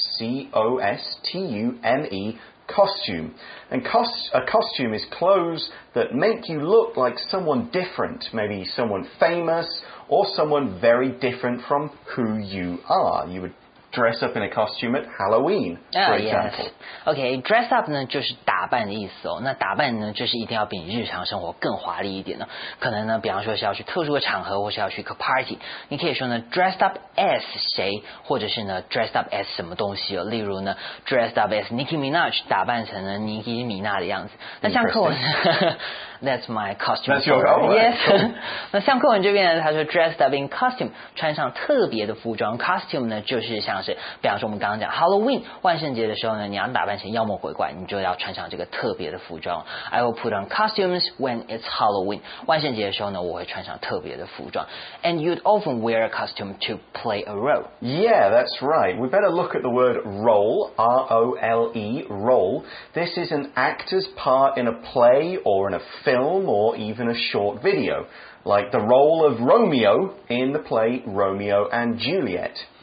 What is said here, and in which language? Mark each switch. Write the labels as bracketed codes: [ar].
[en] C-O-S-T-U-M-E, costume. And a costume is clothes that make you look like someone different, maybe someone famous or someone very different from who you are. You would dress up in a costume at Halloween, for example. [zh] Okay, dress up 呢就是打扮的意思哦。那打扮呢就是一定要比日常生活更华丽一点呢。可能呢比方说是要去特殊的场合或是要去一个 party。你可以说呢 dressed up as 谁或者是呢 dressed up as 什么东西哦。例如呢 [en] dressed up as Nicki Minaj, [zh] 打扮成了 Nicki Minaj 的样子。那像课文 [en] That's my costume. That's your outfit. Yes. [zh] 那像课文这边呢他说 [en] dressed up in costume, [zh] 穿上特别的服装。 Costume 呢就是像是比方说我们刚刚讲 Halloween, 万圣节的时候呢你要打扮成妖魔鬼怪你就要穿上这个特别的服装。 [en] I will put on costumes when it's Halloween. [zh] 万圣节的时候呢我会穿上特别的服装。 [en] And you'd often wear a costume to play a role. Yeah, that's right. We better look at the word role, R-O-L-E, role. This is an actor's part in a play or in a film or even a short video, like the role of Romeo in the play Romeo and Juliet.